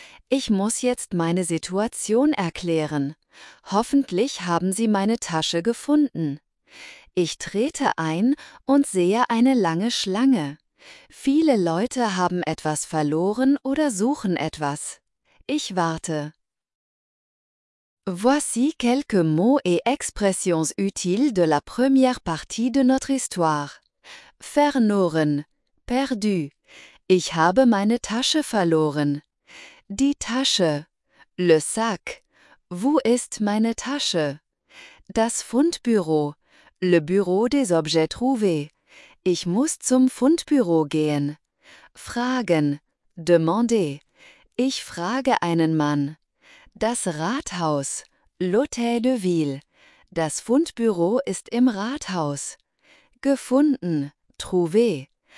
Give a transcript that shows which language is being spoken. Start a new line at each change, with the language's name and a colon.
German: Ich muss jetzt meine Situation erklären. Hoffentlich haben Sie meine Tasche gefunden. Ich trete ein und sehe eine lange Schlange. Viele Leute haben etwas verloren oder suchen etwas. Ich warte.
French: Voici quelques mots et expressions utiles de la première partie de notre histoire.
German: Verloren,
French: perdu.
German: Ich habe meine Tasche verloren. Die Tasche,
French: le sac.
German: Wo ist meine Tasche? Das Fundbüro,
French: le bureau des objets trouvés.
German: Ich muss zum Fundbüro gehen. Fragen,
French: demander.
German: Ich frage einen Mann. Das Rathaus,
French: l'hôtel de ville.
German: Das Fundbüro ist im Rathaus. Gefunden.
French: Trouvé.